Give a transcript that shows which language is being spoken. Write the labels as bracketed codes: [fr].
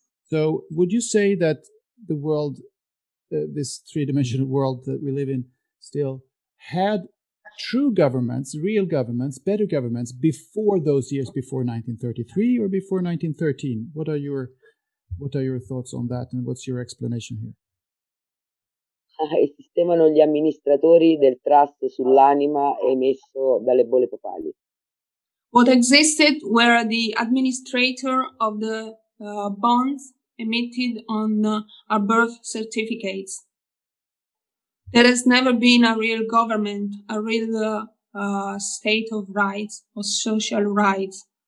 [en] So would you say that the world, this three-dimensional world that we live in still, had true governments, real governments, better governments before those years, before 1933 or before 1913? What are your thoughts on that, and what's your explanation here? [it] Esistevano gli amministratori del trust sull'anima emesso dalle bolle papali. [en] What existed were the administrator of the bonds emitted on our birth certificates. There has never been a real government, a real state of rights or social rights.